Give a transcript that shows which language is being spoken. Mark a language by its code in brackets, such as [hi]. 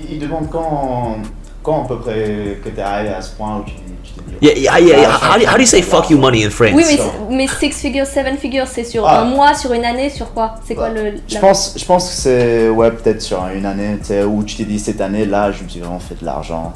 [fr] Il demande quand à peu près que t'es arrivé à ce point où tu... [en] Yeah. How do you say fuck you money in France? [fr] Oui, mais [en] six figures, seven figures, [fr] c'est sur un mois, sur une année, sur quoi? C'est quoi Je pense que c'est, ouais, peut-être sur une année, tu sais, où tu t'es dit cette année, là, je me suis vraiment fait de l'argent.